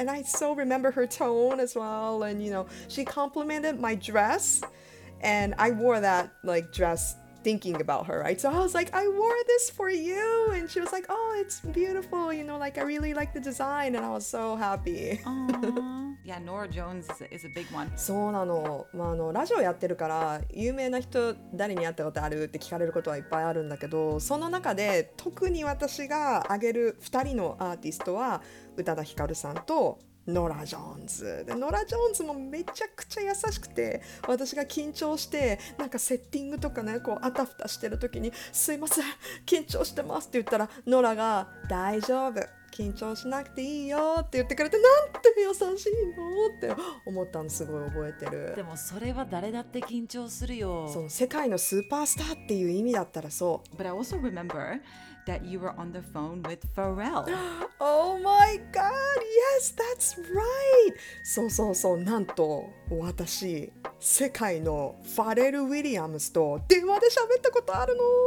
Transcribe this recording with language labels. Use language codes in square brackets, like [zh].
[en] And I so remember her tone as well. And you know, she complimented my dress and I wore that like dress thinking about her, right? So I was like, I wore this for you. And she was like, oh, it's beautiful. You know, like, I really like the design. And I was so happy. Yeah, Norah Jones is a big one. [ja] そうなの。まあ、あの、ラジオやってるから、有名な人、誰に会ったことあるって聞かれることはいっぱいあるんだけど、その中で、特に私が挙げる2人のアーティストは、宇多田ヒカルさんと、ノラ・ジョーンズで、ノラ・ジョーンズもめちゃくちゃ優しくて、私が緊張してなんかセッティングとかね、こうあたふたしてる時にすいません緊張してますって言ったら、ノラが大丈夫緊張しなくていいよって言ってくれて、なんて優しいのって思ったの、すごい覚えてる。でもそれは誰だって緊張するよ。その世界のスーパースターっていう意味だったらそう。 [en] But I also rememberthat you were on the phone with Pharrell. Oh my God, yes, that's right. [ja] そうそうそう、なんと私、世界のファレル・ウィリアムスと電話で喋ったことあるの。